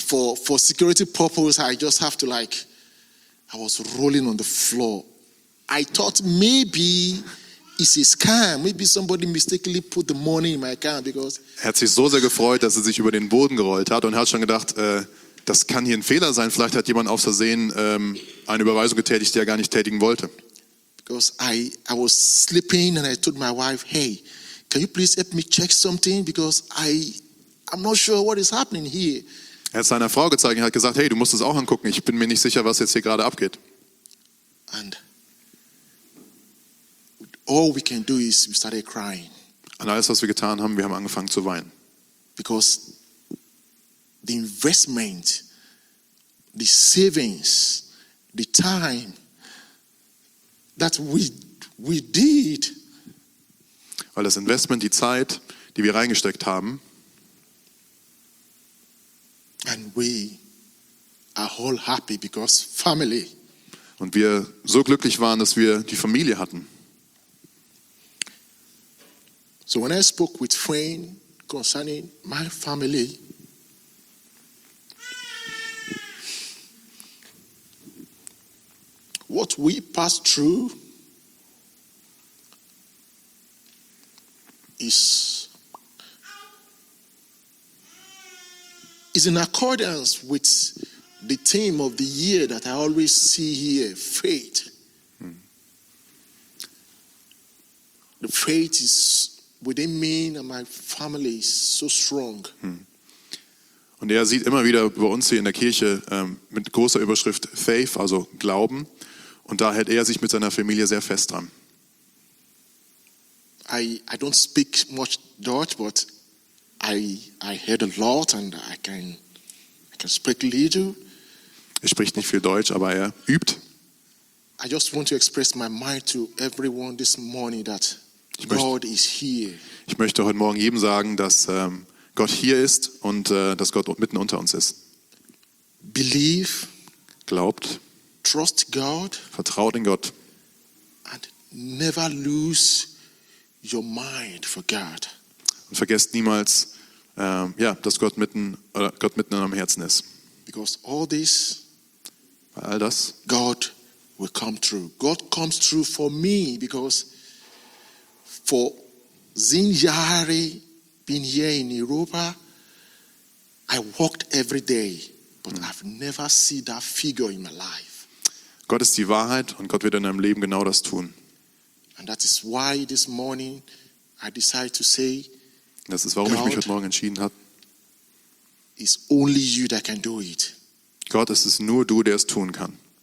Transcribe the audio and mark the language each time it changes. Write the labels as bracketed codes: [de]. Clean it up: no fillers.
[en] For security purpose, I just have to like, I was rolling on the floor. I thought maybe it's a scam. Maybe somebody mistakenly put the money in my account because. [de] Er hat sich so sehr gefreut, dass er sich über den Boden gerollt hat und hat schon gedacht, das kann hier ein Fehler sein. Vielleicht hat jemand aus Versehen eine Überweisung getätigt, die er gar nicht tätigen wollte. [en] Because I was sleeping and I told my wife, hey, can you please help me check something? Because I'm not sure what is happening here. [de] Er hat seiner Frau gezeigt und hat gesagt, hey, du musst es auch angucken. Ich bin mir nicht sicher, was jetzt hier gerade abgeht. [en] And all we can do is we started crying. [de] Und alles, was wir getan haben, wir haben angefangen zu weinen. [en] Because the investment, the savings, the time that we did. [de] Weil das Investment, die Zeit, die wir reingesteckt haben. [en] And we are all happy because family. [de] Und wir so glücklich waren, dass wir die Familie hatten. [en] So when I spoke with Wayne concerning my family, what we passed through is in accordance with the theme of the year that I always see here, faith. The faith is within me and my family is so strong. [de] Und er sieht immer wieder bei uns hier in der Kirche mit großer Überschrift Faith, also Glauben. Und da hält er sich mit seiner Familie sehr fest dran. [en] I don't speak much Dutch, but I heard a lot and I can speak a little. [de] Er spricht nicht viel Deutsch, aber er übt. [en] I just want to express my mind to everyone this morning that God is here. [de] Ich möchte heute Morgen jedem sagen, dass Gott hier ist und dass Gott mitten unter uns ist. [en] Believe, [de] glaubt, [en] trust God, [de] vertraut in Gott, [en] and never lose your mind for God. [de] Und vergesst niemals, dass Gott mitten oder Gott mitten in eurem Herzen ist. [en] Because all this, [de] weil all das, [en] God will come through. God comes through for me because for [de] zehn Jahre [en] being here in Europa, I walked every day, but I've never seen that figure in my life. [de] Gott ist die Wahrheit und Gott wird in deinem Leben genau das tun. [en] And that is why this morning I decided to say, [de] das ist, warum ich mich heute Morgen entschieden habe. [en] Is only you that can do it. [de] Gott, es ist nur du, der es tun kann.